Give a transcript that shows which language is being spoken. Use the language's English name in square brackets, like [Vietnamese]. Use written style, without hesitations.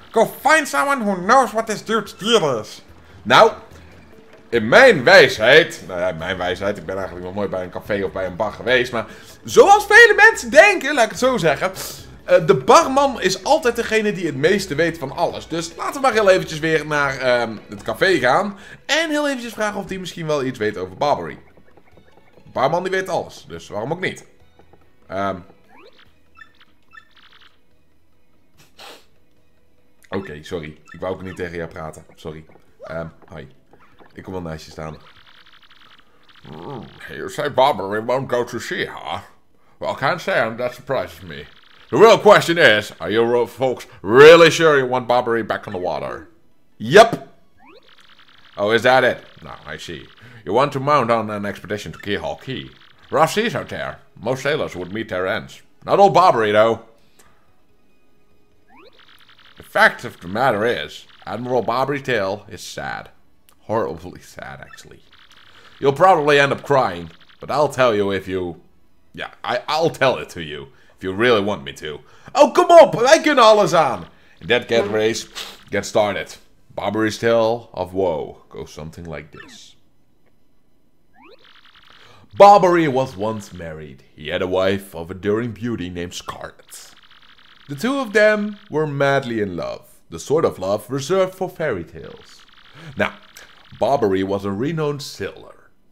[English] Go find someone who knows what this dude's deal is. [Dutch] Nou, in mijn wijsheid... Nou ja, in mijn wijsheid, ik ben eigenlijk nog nooit bij een café of bij een bar geweest, maar... Zoals vele mensen denken, laat ik het zo zeggen... De barman is altijd degene die het meeste weet van alles. Dus laten we maar heel eventjes weer naar het café gaan. En heel eventjes vragen of die misschien wel iets weet over Barbary. Barman die weet alles, dus waarom ook niet? Oké, sorry. Ik wou ook niet tegen jou praten. Sorry. Hoi. Ik kom wel naast je staan. [English] You say Barbary won't go to see her? Well, I can't say him. That surprises me. The real question is, are you folks really sure you want Barbary back on the water? Yep. Oh, is that it? No, I see. You want to mount on an expedition to Keyhole Key. Rough seas out there. Most sailors would meet their ends. Not old Barbary, though. The fact of the matter is, Admiral Barbary's tale is sad. Horribly sad, actually. You'll probably end up crying, but I'll tell you if you... Yeah, I'll tell it to you. If you really want me to. Oh, come on, [Dutch] wij kunnen alles aan. [English] In that get race, get started. Barbary's tale of woe goes something like this. Barbary was once married. He had a wife of enduring beauty named Scarlet. The two of them were madly in love. The sort of love reserved for fairy tales. Now, Barbary was a renowned sailor.